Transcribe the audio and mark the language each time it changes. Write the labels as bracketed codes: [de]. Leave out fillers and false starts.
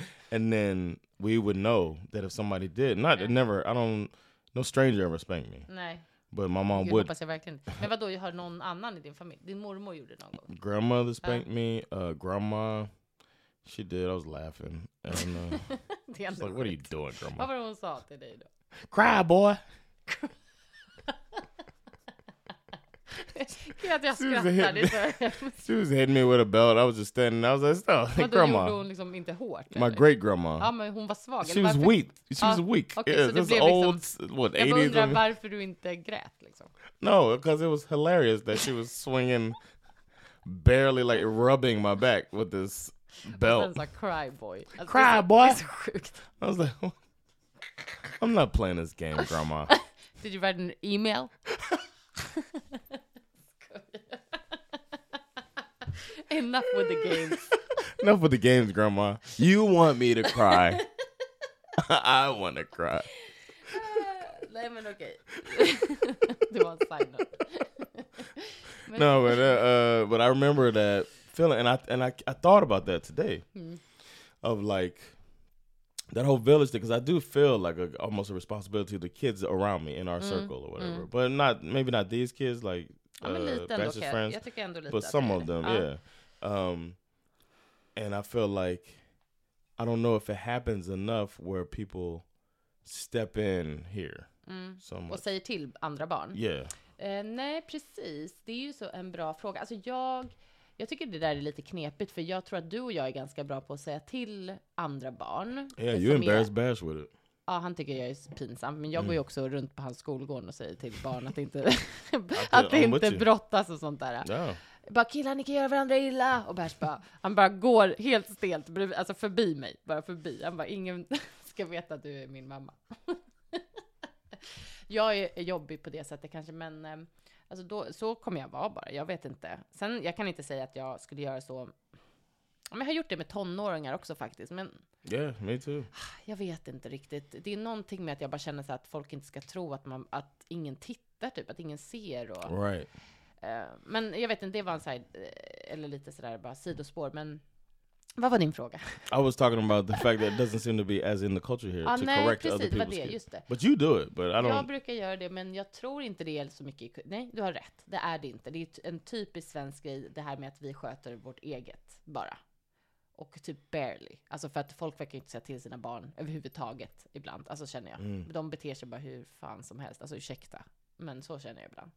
[en] and then we would know that if somebody did, not, never, I don't, no stranger ever spanked me. [sv] Nej. [en] But my mom would. [sv] Men vadå, jag har någon annan i din familj? Din mormor gjorde någon gång. [en] Grandmother spanked me. Grandma, she did. I was laughing. And, [sv] det [en] she's like, what are you doing, grandma? [sv] Vad var hon sa till dig då? [en] Cry, boy! [sv] Gud, jag skrattar. [en] She was hitting me with a belt. I was just standing. I was like, stop. [sv] Vadå, grandma. Gjorde hon liksom inte hårt? [en] My great-grandma. [sv] Ja, men hon var svag. [en] She was weak. She was weak. Okay, yeah, so this old, [sv] liksom, [en] what, 80s? [sv] Jag undrar varför du inte grät, liksom. [en] No, because it was hilarious that she was swinging, barely, like, rubbing my back with this belt. [sv] Det var en [en] cry boy. [sv] Alltså, [en] cry boy! [sv] Det är så sjukt. [en] I was like, I'm not playing this game, grandma. Did you write an email? Enough with the games. Enough with the games, grandma. You want me to cry. I want to cry. [sv] Nej, men okej. Det var en [en] sign up. No, but I remember that feeling, and I thought about that today. Of like that whole village thing, because I do feel like almost a responsibility to the kids around me in our circle or whatever. But not maybe not these kids, like Bash's friends. [sv] Jag tycker ändå lite, [en] but some of them, yeah. And I feel like, I don't know if it happens enough where people step in here. [sv] Och säger till andra barn. [en] Yeah. [sv] Nej, precis. Det är ju så en bra fråga. Alltså jag tycker det där är lite knepigt, för jag tror att du och jag är ganska bra på att säga till andra barn. Yeah, you embarrass Bash with it. Ja, han tycker jag är pinsam. Men jag går ju också runt på hans skolgård och säger till barn att inte att det inte brottas och sånt där. Ja. Bara, killar, ni kan göra varandra illa. Och Bärs bara, han bara går helt stelt, alltså förbi mig, bara förbi. Han bara, ingen ska veta att du är min mamma. Jag är jobbig på det sättet kanske, men alltså då, så kommer jag vara bara, jag vet inte. Sen, jag kan inte säga att jag skulle göra så. Men jag har gjort det med tonåringar också faktiskt, men... [en] Yeah, me too. [sv] Jag vet inte riktigt. Det är någonting med att jag bara känner så att folk inte ska tro att, man, att ingen tittar typ, att ingen ser och... [en] Right. [sv] Men jag vet inte, det var en side, eller lite sådär bara sidospår, men Vad var din fråga? [en] I was talking about the fact that it doesn't seem to be as in the culture here correct [sv] precis, [en] other people's [sv] det, just det. [en] But you do it, but I don't... [sv] Jag brukar göra det, men jag tror inte det är så mycket... Nej, du har rätt. Det är det inte. Det är en typisk svensk grej, det här med att vi sköter vårt eget bara. Och typ barely. Alltså för att folk verkar inte säga till sina barn överhuvudtaget ibland. Alltså känner jag. Mm. De beter sig bara hur fan som helst. Alltså ursäkta. Men så känner jag ibland.